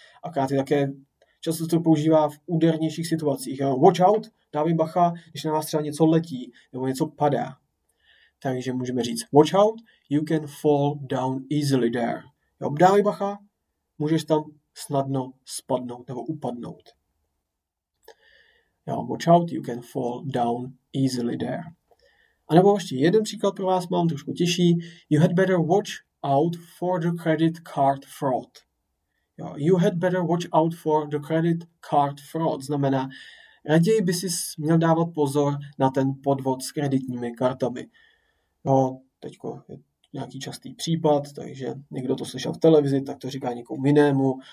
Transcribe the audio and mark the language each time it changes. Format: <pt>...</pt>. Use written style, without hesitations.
<cs>A krátky také často to používá v údernějších situacích.</cs> <en>Watch out,</en> <cs>dávej bacha, když na vás třeba něco letí nebo něco padá. Takže můžeme říct</cs> <en>watch out, you can fall down easily there.</en> <cs>Jo, dávej bacha, můžeš tam snadno spadnout nebo upadnout. Jo,</cs> <en>watch out, you can fall down easily there.</en> <cs>A nebo ještě jeden příklad pro vás mám, trošku těžší.</cs> <en>You had better watch out for the credit card fraud.</en> <cs>Jo,</cs> <en>you had better watch out for the credit card fraud.</en> <cs>Znamená, raději by si měl dávat pozor na ten podvod s kreditními kartami. No, teď je nějaký častý případ, takže někdo to slyšel v televizi, tak to říká někomu jinému.</cs>